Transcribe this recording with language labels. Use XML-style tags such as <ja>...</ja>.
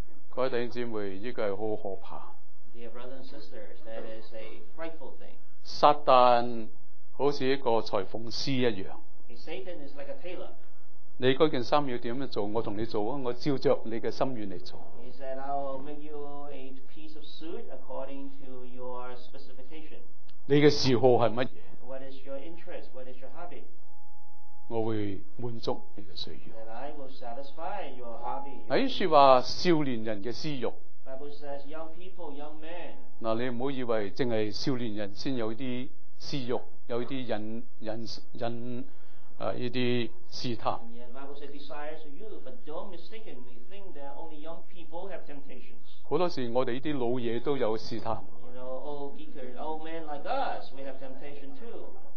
<yue>各位弟兄姊妹，依个系好可怕。</yue> <en>Dear brothers and sisters, that is a frightful thing.</en> <yue>撒旦好似一个裁缝师一样。</yue> <en>Satan is like a tailor.</en> <yue>你嗰件衫要点样做，我同你做啊！我照着你嘅心愿嚟做。</yue> <en>He said, "I'll make you a piece of suit according to your specification."</en> <yue>你嘅嗜好系乜嘢</yue> <en>？What is your interest? What is your hobby?</en> <yue>我会满足你嘅需要。</yue> <en>I will satisfy your hobby.</en> <yue>喺说话少年人嘅私欲。</yue> <en>Bible says young people, young men.</en> <yue>嗱，你唔好以为净系少年人先有啲私欲，有啲引呢啲试探。</yue> <en>Bible says desires of youth, but don't mistakenly think that only young people have temptations.</en> <yue>好多时我哋呢啲老嘢都有试探。</yue> <en>You know, old geekers, old men like us, we have temptation too.</en>